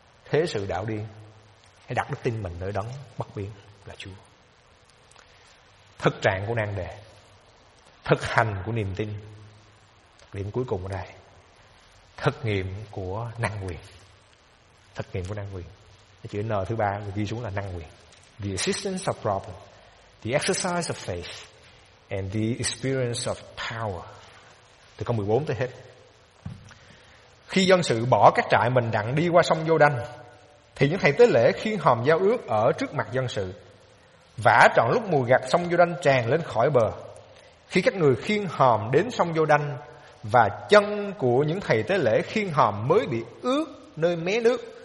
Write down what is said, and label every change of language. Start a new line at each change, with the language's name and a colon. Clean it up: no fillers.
Vietnamese: Thế sự đảo điên, hãy đặt đức tin mình nơi đấng bất biến là Chúa. Thực trạng của nan đề, thực hành của niềm tin, điểm cuối cùng ở đây, thực nghiệm của năng quyền. Thực nghiệm của năng quyền, cái chữ N thứ ba ghi xuống là năng quyền.
English: The assistance of problem, the exercise of faith, and the experience of power.
Vietnamese: Từ câu 14 tới hết. Khi dân sự bỏ các trại mình đặng đi qua sông Giô-đanh, thì những thầy tế lễ khiêng hòm giao ước ở trước mặt dân sự, vả trọn lúc mùi gạt sông Giô-đanh tràn lên khỏi bờ. Khi các người khiêng hòm đến sông Giô-đanh và chân của những thầy tế lễ khiêng hòm mới bị ướt nơi mé nước,